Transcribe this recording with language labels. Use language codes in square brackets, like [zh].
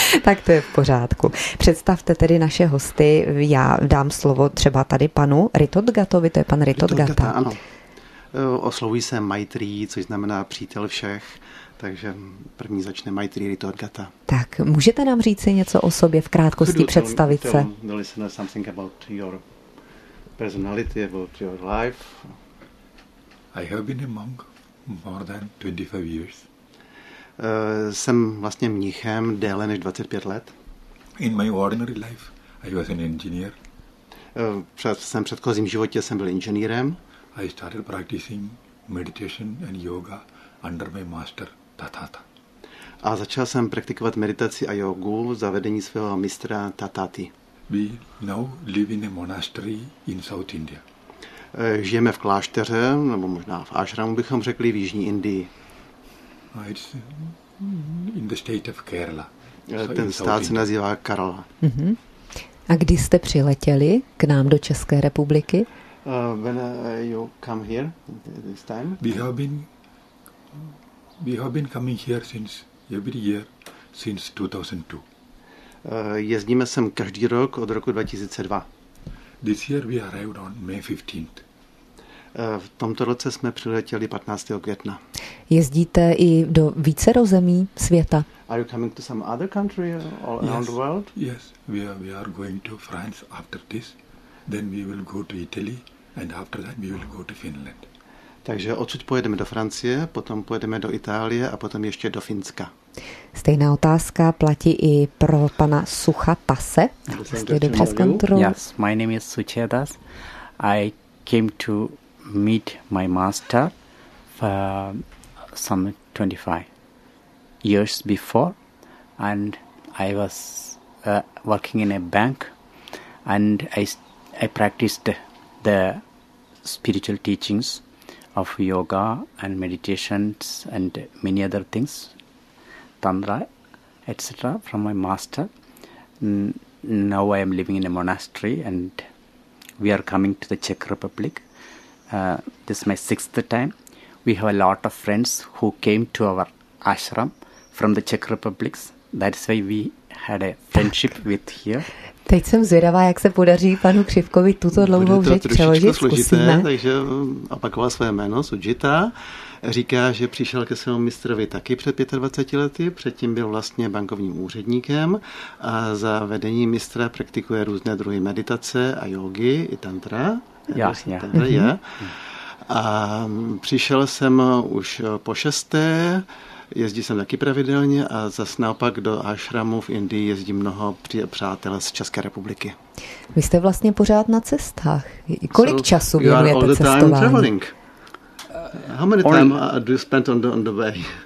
[cs] tak to je v pořádku. Představte tedy naše hosty, já dám slovo třeba tady panu Ritodgatovi, to je pan Ritodgata. Oslovuji se Maitrý, což znamená přítel všech. Takže první začne Maitrý Ritodgata. Tak, můžete nám říct něco o sobě, v krátkosti představit se? [en] The listener, something about your personality, about your life. I have been a monk more than 25 years. [cs] Jsem vlastně mnichem déle než 25 let. [en] In my ordinary life, I was an engineer. [cs] V předchozím životě jsem byl inženýrem. [en] I started practicing meditation and yoga under my master. Tatata. [cs] A začal jsem praktikovat meditaci a jogu za vedení svého mistra Tataty. [en] We now live in a monastery in South India. [cs] Žijeme v klášteře, nebo možná v ashramu bychom řekli, v jižní Indii. [en] It's in the state of Kerala. [cs] Ten stát se nazývá Kerala. Uh-huh. A kdy jste přiletěli k nám do České republiky? [en] When you come here this time? We have been coming here since every year since 2002. [cs] Jezdíme sem každý rok od roku 2002. [en] This year we arrived on May 15th. [cs] V tomto roce jsme přiletěli 15. května. Jezdíte i do vícero zemí světa? [en] Are you coming to some other country all around the world? Yes, we are going to France after this. Then we will go to Italy and after that we will go to Finland. [cs] Takže odsud pojedeme do Francie, potom pojedeme do Itálie a potom ještě do Finska. Stejná otázka platí i pro pana Suchatase. [en] Yes, my name is Suchetas. I came to meet my master for some 25 years before, and I was working in a bank, and I practiced the spiritual teachings of yoga and meditations and many other things, tantra, etc., from my master. Now I am living in a monastery and we are coming to the Czech Republic. This is my sixth time. We have a lot of friends who came to our ashram from the Czech Republic. That's why we had a friendship with here. [cs] Teď jsem zvědavá, jak se podaří panu Křivkovi tuto dlouhou řeč přeložit. Bude to trošičku složité, takže opakoval své jméno, Sujita. Říká, že přišel ke svému mistrovi taky před 25 lety, předtím byl vlastně bankovním úředníkem a za vedení mistra praktikuje různé druhy meditace a jógy i tantra. Jasně. A přišel jsem už po šesté, jezdí jsem taky pravidelně a zas naopak do ashramu v Indii jezdí mnoho přátel z České republiky. Vy jste vlastně pořád na cestách. Kolik času věnujete cestování? [en] You are all the time traveling. How many time do you spend on the way?